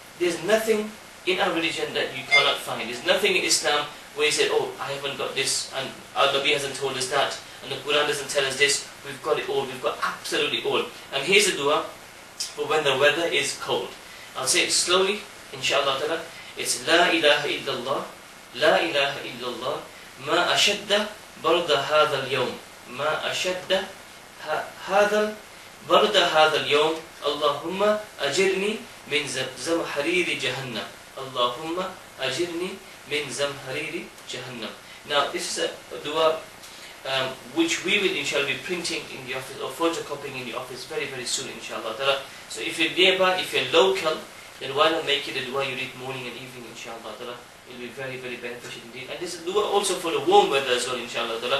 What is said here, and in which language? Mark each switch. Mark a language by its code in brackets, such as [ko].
[en] There's nothing in our religion that you cannot find. There's nothing in Islam where you say, oh, I haven't got this, and our Nabi hasn't told us that, and the Quran doesn't tell us this. We've got it all. We've got absolutely all. And here's a dua for when the weather is cold. I'll say it slowly, inshallah ta'ala. It's [ar] La ilaha illallah. لا إله إلا الله ما أشد برد هذا اليوم ما أشد هذا برد هذا اليوم اللهم أجرني من زمهرير جهنم اللهم أجرني من زمهرير جهنم. [en] Now this is a dua which we will inshallah be printing in the office or photocopying in the office very, very soon, inshallah. So if you're nearby, if you're local, then why not make it a dua you read morning and evening, inshallah. It'll be very, very beneficial indeed. And this dua also for the warm weather as well, inshallah.